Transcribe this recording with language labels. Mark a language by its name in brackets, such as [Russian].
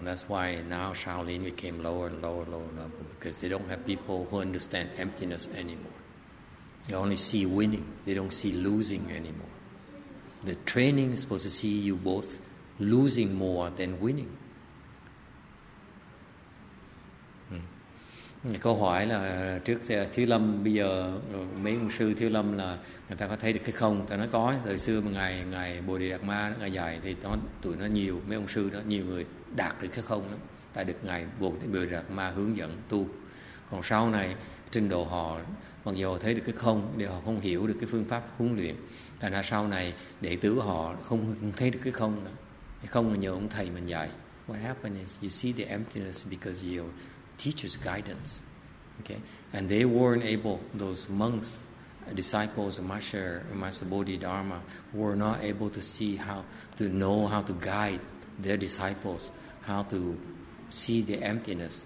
[English] That's why now Shaolin became lower and lower and lower level, because they don't have people who understand emptiness anymore. They only see winning. They don't see losing anymore. The training is supposed to see you both losing more than winning. [Vietnamese] Câu hỏi là trước Thiếu Lâm, bây giờ mấy ông sư Thiếu Lâm là người ta có thấy được cái không? Ta nói có, thời xưa mà ngày Bồ Đề Đạt Ma ngày dạy thì tụi nó nhiều, mấy ông sư đó nhiều người đạt được cái không đó, tại được ngày Bồ Đề Đạt Ma hướng dẫn tu. Còn sau này trình độ họ mặc dù thấy được cái không, nhưng họ không hiểu được cái phương pháp huấn luyện, thành ra sau này đệ tử họ không thấy được cái không đó. Cái không là nhờ ông thầy mình dạy. [English] What happened is you see the emptiness because you teacher's guidance, okay, and they weren't able. Those monks, disciples, Master Bodhidharma, were not able to see how to know how to guide their disciples, how to see the emptiness.